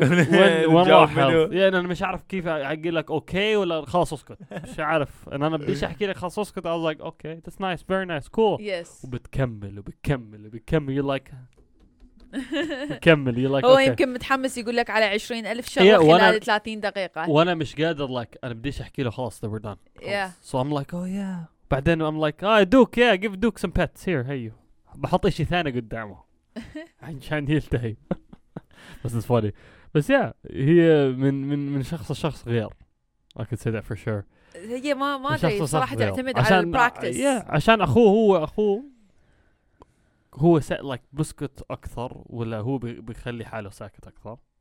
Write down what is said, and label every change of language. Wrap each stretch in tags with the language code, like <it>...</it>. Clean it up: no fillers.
<ar>وين راح يعني انا مش عارف كيف اعقل لك اوكي ولا خلاص اسكت مش عارف انا بديش احكي لك خلاص اسكت</ar> <en>I was like okay that's nice very nice cool yes.</en> <ar>وبتكمل</ar> <en>you like</en> <ar>بكمل you like هو</ar> <en>okay.</en> <ar>يمكن متحمس يقول لك على 20,000 شغل خلال 30 دقيقة وانا مش قادر لك like, انا بديش احكي له خلاص</ar> <en>we're done yeah. so I'm like oh yeah</en> <ar>بعدين</ar> <en>I'm like oh, Duke yeah give Duke some pets here hey you.</en> <ar>بحط اشي ثاني قدامه عشان يلتهي بس</ar> <en>is funny.</en> <ar>بس yeah, هي من شخص لشخص غير.</ar> <en>I could say that for sure.</en> <ar>هي ما شخص صراحة صراحة تعتمد عشان على البراكتس. Yeah, عشان أخوه هو set like بسكت أكثر ولا هو بيخلي حاله ساكت أكثر.</ar>